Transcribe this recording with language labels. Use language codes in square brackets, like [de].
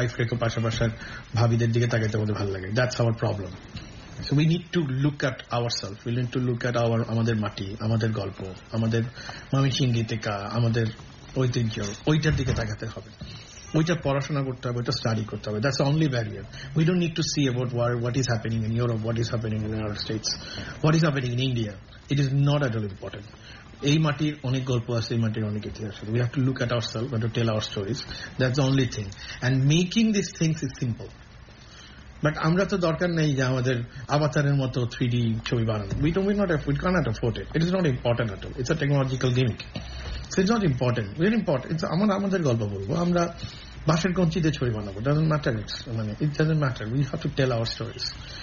[en] We have to get stuck in the middle of the world. That's our problem. So we need to look at ourselves. We need to look at our [bn] amader mati, amader golpo, amader mamishingitika, amader ঐতিহ্য, ওইটার দিকে তাকাতে হবে, ওইটা পড়াশোনা করতে হবে, ওইটা স্টাডি করতে হবে। [en] That's only barrier. We don't need to see about what is happening in Europe, what is happening in United States, what is happening in India, it is not at all important. [bn] এই মাটির অনেক গল্প আছে, এই মাটির অনেক ইতিহাস আছে। [en] We have to look at our self, have to tell our stories, that's only thing. And making this things is simple, but [bn] আমরা তো দরকার নেই যে আমাদের আবাতারের মতো থ্রি ডি ছবি বানানো, [en] We don't, we not, we can't afford it, it is not important at all, it's a technological gimmick. So it's not important, very important. It's [bn] amader golpo bolbo amra basher konchite chhori banabo, [en] doesn't matter, it's mane it doesn't matter, we have to tell our stories.